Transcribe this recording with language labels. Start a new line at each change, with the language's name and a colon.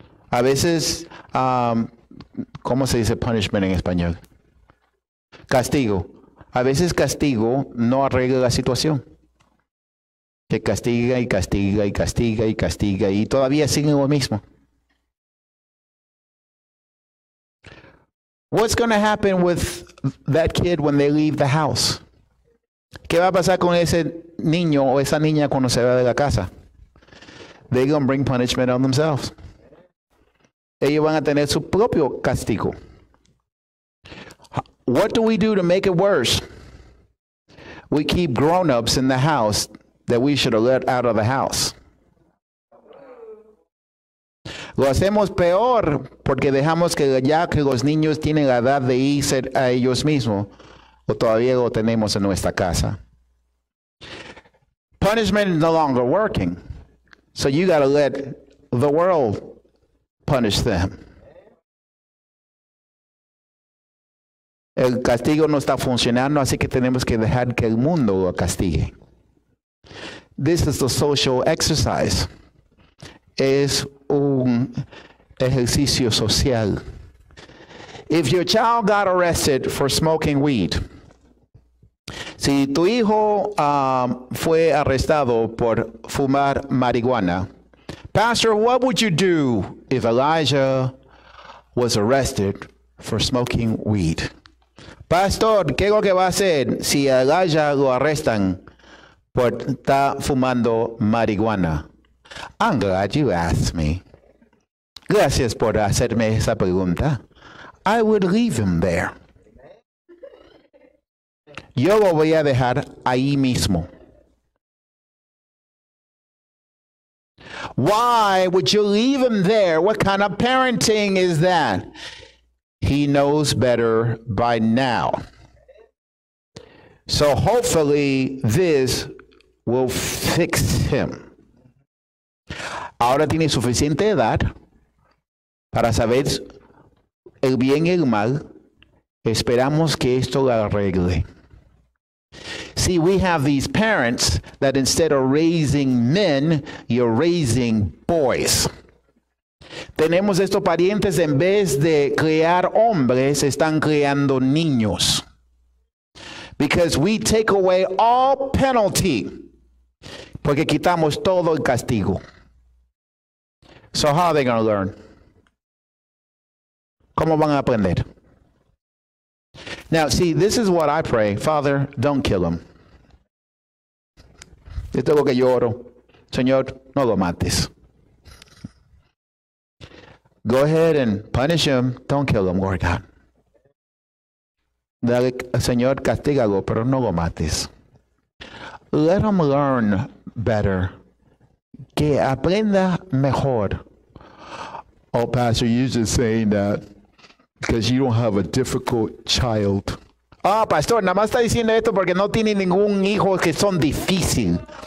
Spanish: A veces, ¿cómo se dice punishment en español? Castigo. A veces castigo no arregla la situación. que castiga y castiga y castiga y castiga y todavía sigue lo mismo.
English: What's going to happen with that kid when they leave the house?
Spanish: ¿Qué va a pasar con ese niño o esa niña cuando se va de la casa?
English: They're going to bring punishment on themselves.
Spanish: Ellos van a tener su propio castigo.
English: What do we do to make it worse? We keep grown-ups in the house that we should have let out of the house.
Spanish: Lo hacemos peor porque dejamos que ya que los niños tienen la edad de irse a ellos mismos, o todavía lo tenemos en nuestra casa.
English: Punishment is no longer working. So you got to let the world punish them.
Spanish: El castigo no está funcionando, así que tenemos que dejar que el mundo lo castigue.
English: This is the social exercise.
Spanish: Es un ejercicio social.
English: If your child got arrested for smoking weed,
Spanish: si tu hijo fue arrestado por fumar marihuana,
English: Pastor, what would you do if Elijah was arrested for smoking weed?
Spanish: Pastor, ¿qué es lo que va a hacer si a Elijah lo arrestan por estar fumando marihuana?
English: I'm glad you asked me.
Spanish: Gracias por hacerme esa pregunta.
English: I would leave him there.
Spanish: Yo lo voy a dejar ahí mismo.
English: Why would you leave him there? What kind of parenting is that? He knows better by now. So hopefully this will fix him.
Spanish: Ahora tiene suficiente edad para saber el bien y el mal. Esperamos que esto lo arregle.
English: See, we have these parents that instead of raising men, you're raising boys.
Spanish: Tenemos estos parientes, en vez de crear hombres, están creando niños.
English: Because we take away all penalty.
Spanish: Porque quitamos todo el castigo.
English: So how are they going to learn?
Spanish: ¿Cómo van a aprender?
English: Now, see, this is what I pray. Father, don't kill them.
Spanish: Esto es lo que yo oro. Señor, no lo mates.
English: Go ahead and punish him. Don't kill him, Lord God.
Spanish: Dale, Señor, castígalo, pero no lo mates.
English: Let him learn better.
Spanish: Que aprenda mejor.
English: Oh, Pastor, you're just saying that because you don't have a difficult child.
Spanish: Oh, Pastor, nada más está diciendo esto porque no tiene ningún hijo que son difícil.